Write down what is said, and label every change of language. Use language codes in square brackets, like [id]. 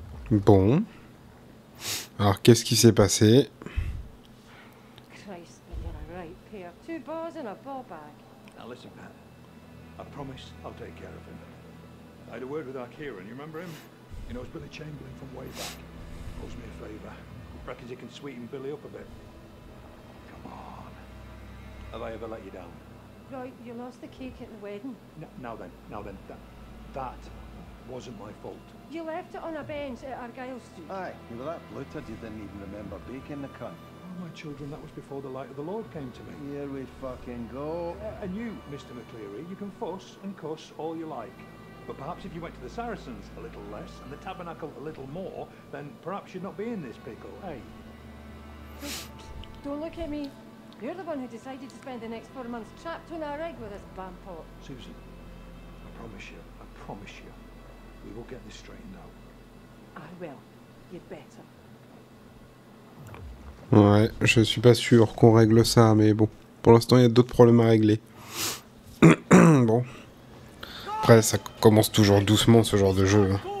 [fr] Bon. Alors, qu'est-ce qui s'est passé? [en] Christ, I got a right pair. Two bars and a ball bag. Now listen, Pat. I promise I'll take care of him. I had a word with Arkieran, you remember him? You know, it's Billy Chamberlain from way back. Owes me a favour. Reckons you can sweeten Billy up a bit. Come on. Have I ever let you down? Roy, you lost the cake at the wedding. Now then. That wasn't my fault. You left it on a bench at Argyle Street. Aye, you were that bloated you didn't even remember baking the cunt. Oh, my children, that was before the light of the Lord came to me. Here we fucking go. And you, Mr. McCleary, you can fuss and cuss all you like. But perhaps if you went to the Saracens a little less and the Tabernacle a little more, then perhaps you'd not be in this pickle, eh? Don't look at me. You're the one who decided to spend the next 4 months trapped on a rig with this bampot. Susan, I promise you, we will get this straightened out. I will. You'd better. [fr] Ouais, je suis pas sûr qu'on règle ça, mais bon. Pour l'instant, il y a d'autres problèmes à régler. Bon. Après, ça commence toujours doucement, ce genre de jeu.